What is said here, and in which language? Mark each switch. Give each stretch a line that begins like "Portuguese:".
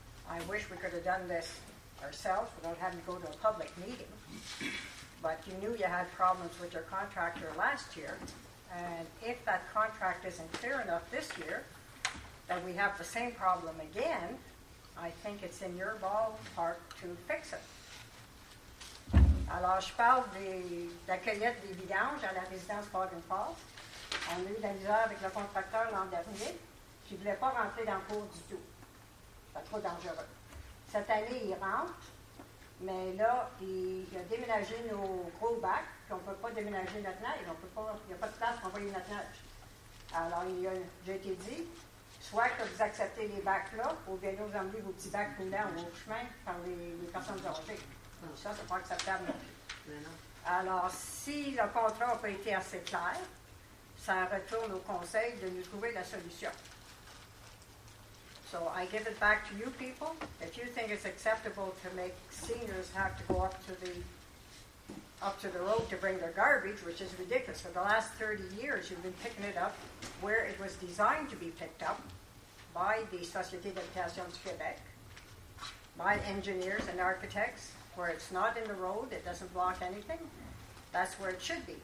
English: I wish we could have done this ourselves without having to go to a public meeting. But you knew you had problems with your contractor last year. And if that contract isn't clear enough this year, that we have the same problem again, I think it's in your ballpark to fix it.
French: Alors, je parle de la cueillette des vidanges à la résidence Pogan Falls. On a eu de la misère avec le contracteur l'an dernier. Il ne voulait pas rentrer dans le cours du tout. C'est trop dangereux. Cette année, il rentre, mais là, il a déménagé nos gros bacs, puis on ne peut pas déménager notre neige. On peut pas, il n'y a pas de place pour envoyer notre neige. Alors, il a déjà été dit, soit que vous acceptez les bacs-là, ou bien vous emmenez vos petits bacs roulants au chemin par les personnes âgées. Donc ça, ce n'est pas acceptable non plus. Alors, si le contrat n'a pas été assez clair, ça retourne au conseil de nous trouver la solution.
English: So I give it back to you people. If you think it's acceptable to make seniors have to go up to the road to bring their garbage, which is ridiculous. For the last 30 years, you've been picking it up where it was designed to be picked up by the Société d'habitation du Québec, by engineers and architects, where it's not in the road, it doesn't block anything. That's where it should be.